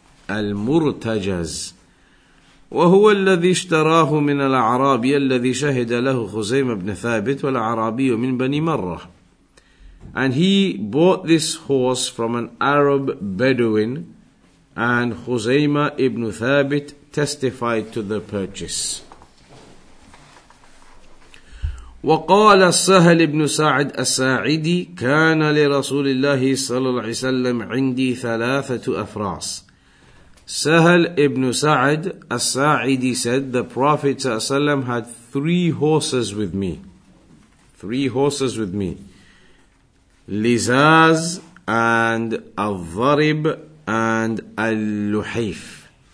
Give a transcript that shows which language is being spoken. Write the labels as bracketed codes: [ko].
[ar] Al-Murtajaz. وَهُوَ الَّذِي اشْتَرَاهُ مِنَ الْعَرَابِيَ الَّذِي شَهِدَ لَهُ خُزَيْمَ بْنِ ثَابِتُ وَالْعَرَابِيُ مِنْ بَنِي مَرَّةٍ. [en] And he bought this horse from an Arab Bedouin, and Khuzaima ibn Thabit testified to the purchase. [ar] وقال السهل بن سعد الساعدي كان لرسول الله صلى الله عليه وسلم عندي ثلاثة أفراس. [en] Sahal ibn Sa'ad al-Sa'idi said, the Prophet ﷺ had three horses with me. Lizaz and al-Dharib and al-Luhayf.